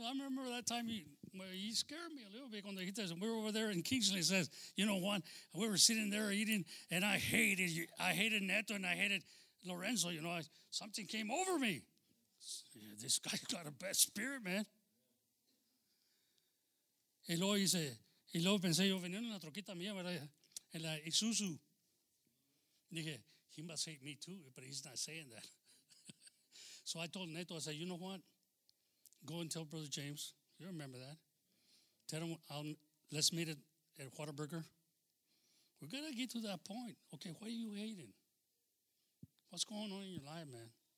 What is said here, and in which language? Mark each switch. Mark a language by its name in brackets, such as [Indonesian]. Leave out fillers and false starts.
[English] I remember that time he scared me a little bit. [Spanish] Cuando dijiste, [English] we were over there in Kingsley, says, you know what, we were sitting there eating, and I hated Neto and I hated Lorenzo, you know, something came over me. This guy's got a bad spirit, man. [Spanish] Y luego hice, y luego pensé, yo venía en una troquita mía, ¿verdad? En la Isuzu. [English] Dije, he must hate me too, but he's not saying that. So I told Neto, I said, you know what? Go and tell Brother James. You remember that. Tell him, let's meet at Whataburger. We're going to get to that point. Okay, why are you hating? What's going on in your life, man?